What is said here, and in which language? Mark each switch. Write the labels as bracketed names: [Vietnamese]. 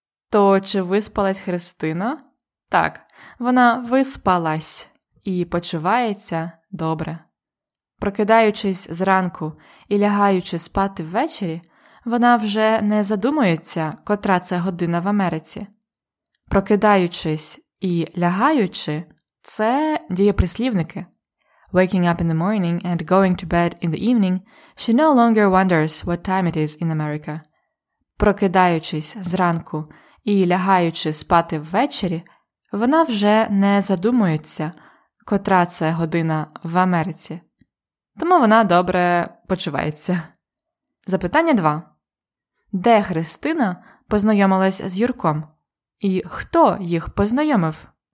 [Ukrainian] То чи виспалась Христина? Так, вона виспалась і почувається добре. Прокидаючись зранку і лягаючи спати ввечері, вона вже не задумується, котра це година в Америці. Прокидаючись і лягаючи – це дієприслівники. [English] Waking up in the morning and going to bed in the evening, she no longer wonders what time it is in America. [Ukrainian] Прокидаючись зранку і лягаючи спати ввечері – вона вже не задумується, котра це година в Америці. Тому вона добре почувається. Запитання 2. Де Христина познайомилась з Юрком? І хто їх познайомив?